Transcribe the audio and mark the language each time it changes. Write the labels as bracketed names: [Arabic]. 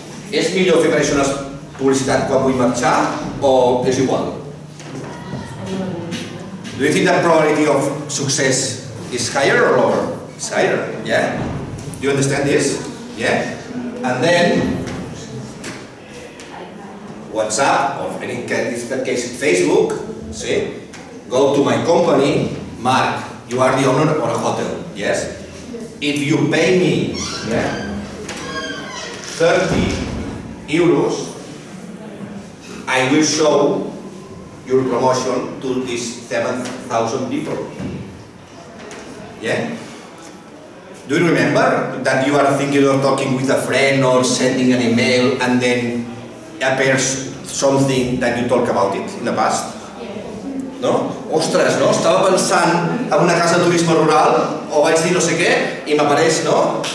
[Catalan] És millor fer això unes publicitat quan vull marxar, o és igual? [English] Do you think that probability of success is higher or lower? It's higher, yeah? Do you understand this? Yeah? And then, WhatsApp, or in that case Facebook, sí? Go to my company, Marc, you are the owner of a hotel, yes? If you pay me, yeah, 30 euros, I will show your promotion to these 7,000 people. Yeah? Do you remember that you are thinking of talking with a friend or sending an email and then appears something that you talk about it in the past? [Catalan] No? Ostres, no? Estava pensant en una casa de turisme rural o vaig dir no sé què i m'apareix, no?